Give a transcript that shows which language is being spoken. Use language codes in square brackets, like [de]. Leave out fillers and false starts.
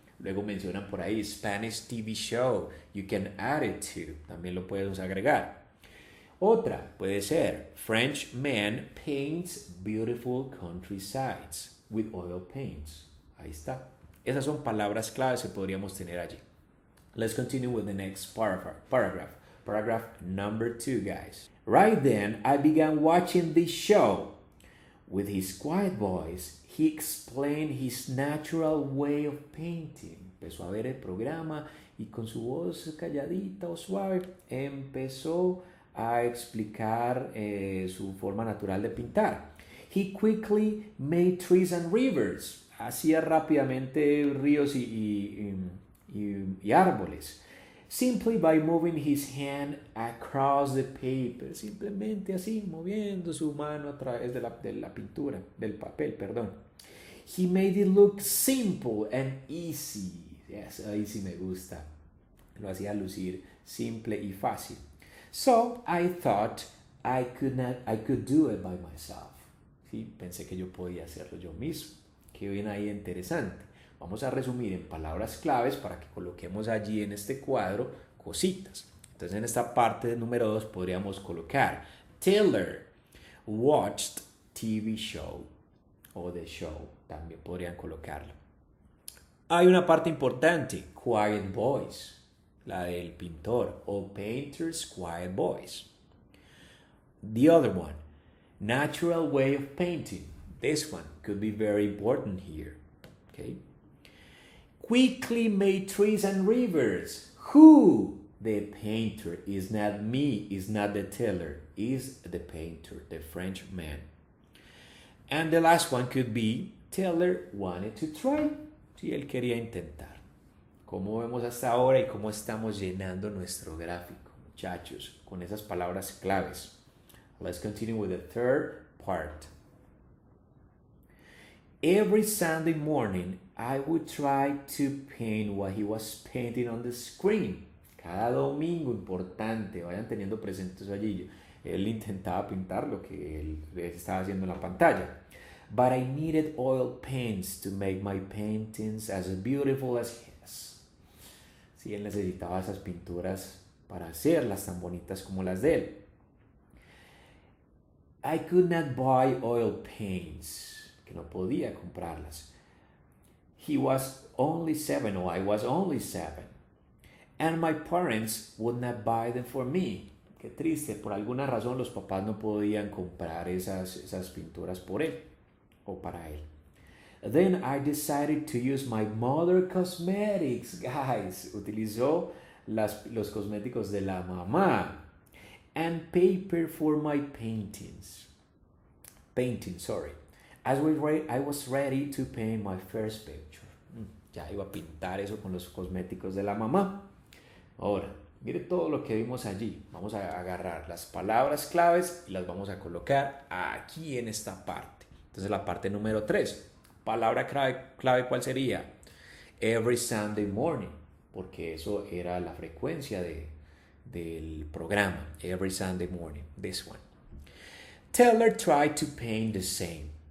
[es] Luego mencionan por ahí Spanish TV show, [en] you can add it to, [es] también lo puedes agregar. Otra puede ser [en] French man paints beautiful countrysides with oil paints. [es] Ahí está. Esas son palabras claves que podríamos tener allí. [en] Let's continue with the next paragraph number two, guys. Right then, I began watching this show. With his quiet voice, he explained his natural way of painting. [es] Empezó a ver el programa y con su voz calladita o suave empezó a explicar su forma natural de pintar. [en] He quickly made trees and rivers. [es] Hacía rápidamente ríos y árboles. [en] Simply by moving his hand across the paper. [es] Simplemente así, moviendo su mano a través de la pintura, del papel, perdón. [en] He made it look simple and easy. [es] Yes, ahí sí me gusta. Lo hacía lucir simple y fácil. [en] So I thought I could do it by myself. [es] Sí, pensé que yo podía hacerlo yo mismo. Qué bien ahí, interesante. Vamos a resumir en palabras claves para que coloquemos allí en este cuadro cositas. Entonces, en esta parte número 2 podríamos colocar [en] Taylor watched TV show [es] o The Show. También podrían colocarlo. Hay una parte importante, Quiet Voice, la del pintor, o Painter's Quiet Voice. [en] The other one, Natural Way of Painting. This one could be very important here. Okay. Quickly made trees and rivers. Who? The painter is not me, is not the teller, is the painter, the French man. And the last one could be Teller wanted to try. [es] Sí, él quería intentar. ¿Cómo vemos hasta ahora y cómo estamos llenando nuestro gráfico, muchachos, con esas palabras claves? [en] Let's continue with the third part. Every Sunday morning, I would try to paint what he was painting on the screen. [es] Cada domingo, importante, vayan teniendo presentes allí. Él intentaba pintar lo que él estaba haciendo en la pantalla. [en] But I needed oil paints to make my paintings as beautiful as his. [es] Sí, él necesitaba esas pinturas para hacerlas tan bonitas como las de él. [en] I could not buy oil paints. [es] Que no podía comprarlas. [en] He was only seven, or I was only seven. And my parents would not buy them for me. [es] Qué triste, por alguna razón los papás no podían comprar esas pinturas por él o para él. [en] Then I decided to use my mother cosmetics, guys. [es] Utilizó los cosméticos de la mamá. [en] and paper for my paintings. Painting, sorry. As we were, I was ready to paint my first picture. [es] Ya iba a pintar eso con los cosméticos de la mamá. Ahora, mire todo lo que vimos allí. Vamos a agarrar las palabras claves y las vamos a colocar aquí en esta parte. Entonces, la parte número 3. Palabra clave, ¿cuál sería? [en] Every Sunday morning. [es] Porque eso era la frecuencia del programa. [en] Every Sunday morning. This one. Teller tried to paint the same.